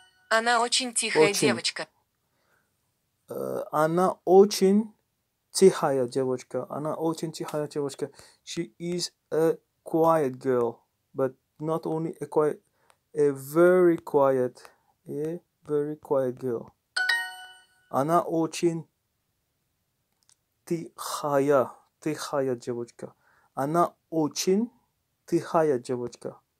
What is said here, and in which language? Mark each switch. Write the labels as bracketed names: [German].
[Russian] Она очень тихая девочка. Она очень тихая девочка. Она очень тихая девочка. [English] She is a quiet girl, but not only a quiet, a very quiet girl. [Russian] Она очень тихая девочка. Она очень тихая девочка.